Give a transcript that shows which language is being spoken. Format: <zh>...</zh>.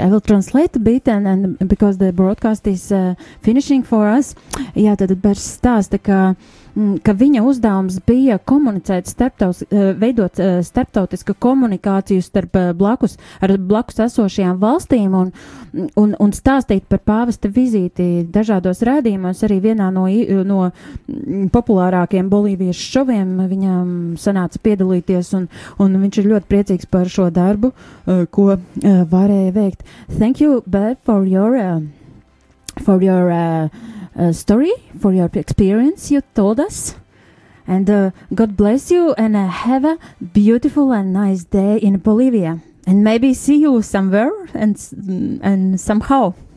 <en>I will translate a bit, and because the broadcast is finishing for us.</en> <lv>Jā, tad bērs stāsta, ka viņa uzdevums bija komunicēt veidot starptautisku komunikāciju starp blakus esošajām valstīm un stāstīt par pāvesta vizīti dažādos rādījumos, arī vienā no populārākiem bolīviešu šoviem viņam sanāca piedalīties, un viņš ir ļoti priecīgs par šo darbu, ko varēja veikt.</lv> <en>Thank you, Beth, for your story, for your experience you told us, and God bless you, and have a beautiful and nice day in Bolivia, and maybe see you somewhere and somehow.</en>